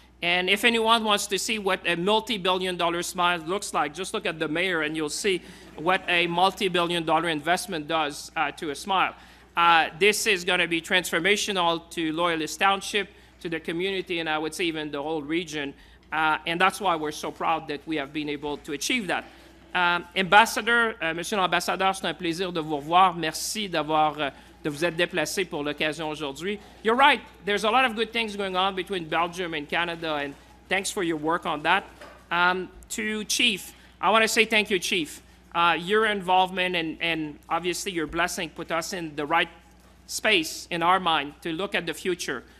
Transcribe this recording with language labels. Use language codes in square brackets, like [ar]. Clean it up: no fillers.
[en] And if anyone wants to see what a multi-billion-dollar smile looks like, just look at the mayor, and you'll see what a multi-billion-dollar investment does to a smile. This is going to be transformational to Loyalist Township, to the community, and I would say even the whole region. And that's why we're so proud that we have been able to achieve that. [fr] Ambassador, Monsieur l'Ambassadeur, c'est un plaisir de vous revoir. Merci d'avoir de vous être déplacé pour l'occasion aujourd'hui. [en] You're right. There's a lot of good things going on between Belgium and Canada, and thanks for your work on that. To Chief, I want to say thank you, Chief. Your involvement and obviously your blessing put us in the right space in our mind to look at the future.